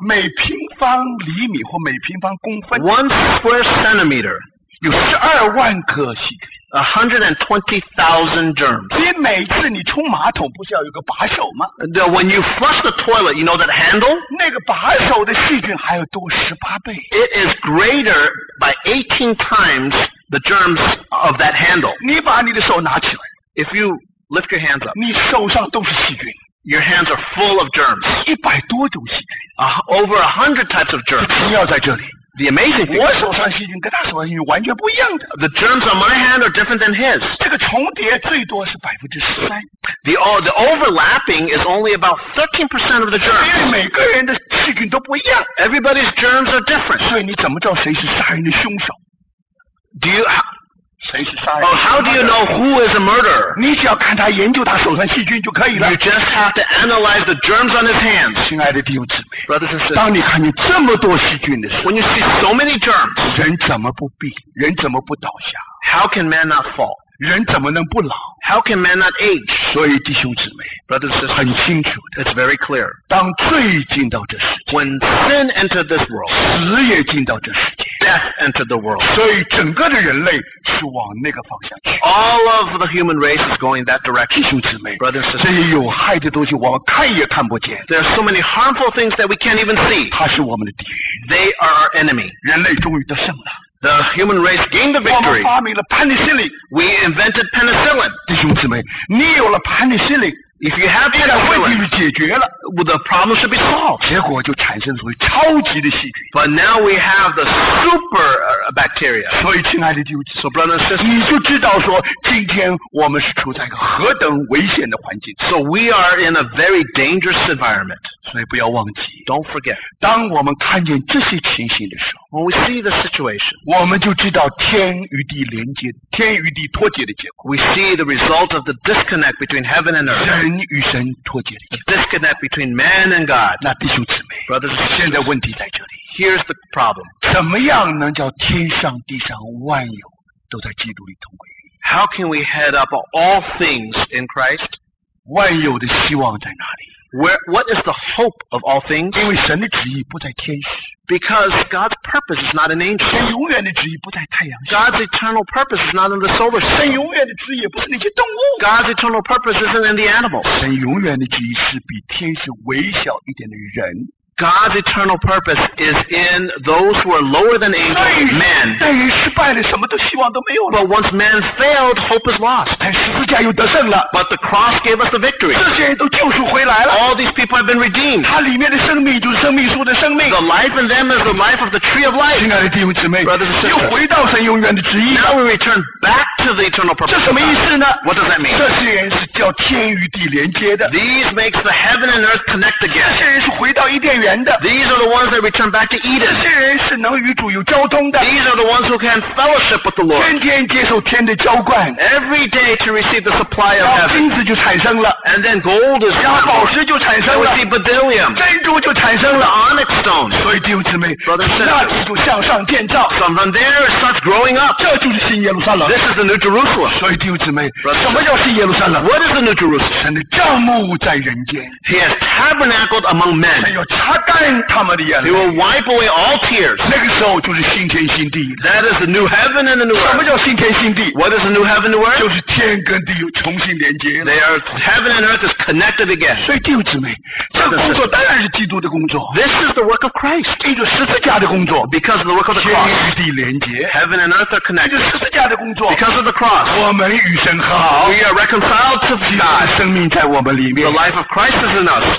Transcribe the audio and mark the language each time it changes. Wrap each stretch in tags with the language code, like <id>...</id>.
<zh>每平方厘米或每平方公分。</zh> <en>One square centimeter.</en> <zh>有12万颗细菌。</zh> <en>120,000 germs.</en> <zh>你每次你冲马桶不是要有个把手吗？</zh> <en>When you flush the toilet, you know that handle?</en> <zh>那个把手的细菌还要多18倍。</zh> <en>It is greater by 18 times the germs of that handle.</en> <zh>你把你的手拿起来。</zh> <en>If you lift your hands up.</en> <zh>你手上都是细菌。</zh> <en>Your hands are full of germs.</en> <zh>100多种细菌。</zh> <en>Over 100 types of germs.</en> <zh>只要在这里。</zh> <en>The amazing thing.</en> <zh>我手上细菌跟他手上细菌完全不一样的。</zh> <en>The germs on my hand are different than his.</en> <zh>这个重叠最多是13%。</zh> <en>The overlapping is only about 13% of the germs.</en> <zh>因为每个人的细菌都不一样。</zh> <en>Everybody's germs are different.</en> <zh>所以你怎么知道谁是杀人的凶手？</zh> <en>Do you</en> <zh>谁是杀人。</zh> <en>Oh, how do you know who is a murderer?</en> <zh>你只要看他研究他手上细菌就可以了。</zh> <en>You just have to analyze the germs on his hands.</en> <zh>亲爱的弟兄姊妹。</zh> <en>Brothers and sisters.</en> <zh>当你看见这么多细菌的时候。</zh> <en>When you see so many germs.</en> <zh>人怎么不病？人怎么不倒下？</zh> <en>How can man not fall?</en> <zh>人怎么能不老？</zh> <en>How can man not age?</en> <zh>所以弟兄姊妹。</zh> <en>Brothers and sisters.</en> <zh>很清楚的。</zh> <en>It's very clear.</en> <zh>当罪进到这世界。</zh> <en>When sin entered this world.</en> <zh>死也进到这世界。</zh> <en>Entered the world.</en> <zh>所以整个的人类是往那个方向去。</zh> <en>All of the human race is going that direction.</en> <zh>弟兄姊妹</zh> <en>brothers and sisters,</en> <zh>这些有害的东西我们看也看不见。</zh> <en>There are so many harmful things that we can't even see.</en> <zh>它是我们的敌人。</zh> <en>They are our enemy.</en> <zh>人类终于得胜了。</zh> <en>The human race gained the victory.</en> <zh>我们发明了 penicillin.</zh> <en>We invented penicillin.</en> <zh>弟兄姊妹，你有了 penicillin。</zh> <en>If you have it,</en> <zh>问题就解决了。</zh> <en>The problem should be solved.</en> <zh>结果就产生出超级的细菌。</zh> <en>But now we have the super bacteria.</en> <zh>所以，亲爱的弟兄姊妹</zh> <en>，So brothers and sisters,</en> <zh>你就知道说，今天我们是处在一个何等危险的环境。</zh> <en>So we are in a very dangerous environment.</en> <zh>所以不要忘记。</zh> <en>Don't forget.</en> <zh>当我们看见这些情形的时候</zh> <en>，When we see the situation,</en> <zh>我们就知道天与地连接、天与地脱节的结果。</zh> <en>We see the result of the disconnect between heaven and earth.</en> <zh>人与神脱节的结果。</zh> <en>The disconnect between man and God.</en> <zh>那弟兄姊妹</zh> <en>brothers,</en> <zh>现在问题在这里。</zh> <en>Here's the problem.</en> <zh>怎么样能叫天上地上万有都在基督里同归于一？</zh> <en>How can we head up all things in Christ?</en> <zh>万有的希望在哪里？</zh> <en>What is the hope of all things?</en> <zh>因为神的旨意不在天上。</zh> <en>Because God's purpose is not in angels.</en> <zh>神永远的旨意不在太阳下。</zh> <en>God's eternal purpose is not in the solar system.</en> <zh>神永远的旨意也不是那些动物。</zh> <en>God's eternal purpose isn't in the animals.</en> <zh>神永远的旨意是比天使微小一点的人。</zh> <en>God's eternal purpose is in those who are lower than angels, men.</en> <zh>但人失败了，什么都希望都没有了。</zh> <en>But once man failed, hope is lost.</en> <zh>但十字架又得胜了。</zh> <en>But the cross gave us the victory.</en> <zh>这些人都救赎回来了。</zh> <en>All these people have been redeemed.</en> <zh>它里面的生命就是生命树的生命。</zh> <en>The life in them is the life of the tree of life.</en> <zh>亲爱的弟兄姊妹</zh> <en>brothers and sisters,</en> <zh>又回到神永远的旨意。</zh> <en>Now we return back to the eternal purpose.</en> <zh>这什么意思呢？</zh> <en>What does that mean?</en> <zh>这些人是叫天与地连接的。</zh> <en>These makes the heaven and earth connect again.</en> <zh>这些人是回到伊甸园。</zh> <en>These are the ones that return back to Eden.</en> <zh>这些人是能与主有交通的。</zh> <en>These are the ones who can fellowship with the Lord.</en> <zh>天天接受天的浇灌。</zh> <en>Every day to receive the supply of heaven.</en> <zh>然后金子就产生了。</zh> <en>And then gold is.</en> <zh>然后宝石就产生了。</zh> <en>They receive bdellium.</en> <zh>珍珠就产生了。</zh> <en>The onyx stone.</en> <zh>所以弟兄姊妹</zh> <en>brothers and sisters,</en> <zh>那就向上建造。</zh> <en>So from there it starts growing up.</en> <zh>这就是新耶路撒冷。</zh> <en>This is the new Jerusalem.</en> <zh>所以弟兄姊妹</zh> <en>brothers,</en> <zh>什么叫新耶路撒冷？</zh> <en>What is the new Jerusalem?</en> <zh>神的帐幕在人间。</zh> <en>He has tabernacled among men.</en> <zh>神要插他们的眼泪</zh> <en>He will wipe away all tears.</en> <zh>那个时候就是新天新地</zh> <en>That is the new heaven and the new earth.</en> <zh>什么叫新天新地</zh> <en>What is the new heaven and the new earth?</en> <zh>就是天跟地又重新连接</zh> <en>They are, Heaven and earth is connected again.</en> <zh>所以弟兄姊妹这个工作当然是基督的工作</zh> <en>This is the work of Christ.</en> <zh>因着十字架的工作</zh> <en>Because of the work of the cross.</en> <zh>天与地连接</zh> <en>Heaven and earth are connected.</en> <zh>因着十字架的工作</zh> <en>Because of the cross.</en> <zh>我们与神和好</zh> <en>We are reconciled to God.</en> <zh>生命在我们里面</zh> <en>The life of Christ is in us.</en>